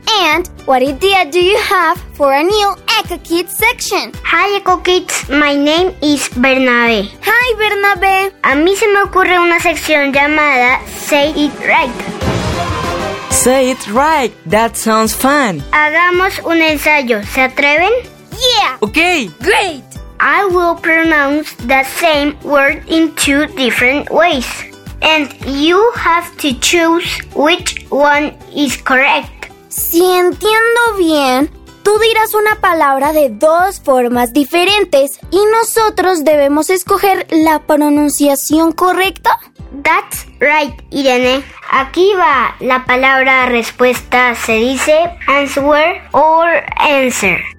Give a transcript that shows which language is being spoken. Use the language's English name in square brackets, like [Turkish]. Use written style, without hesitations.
[English] And what idea do you have for a new Echo Kids section? Hi, Echo Kids. My name is Bernabé. Hi, Bernabé. [Spanish] A mí se me ocurre una sección llamada Say It Right. [English] Say It Right. That sounds fun. [Spanish] Hagamos un ensayo. ¿Se atreven? [English] Yeah. Okay. Great. I will pronounce the same word in two different ways. And you have to choose which one is correct. [Spanish] Si entiendo bien, tú dirás una palabra de dos formas diferentes y nosotros debemos escoger la pronunciación correcta. [English] That's right, Irene. [Spanish] Aquí va la palabra respuesta. Se dice [English] answer or answer.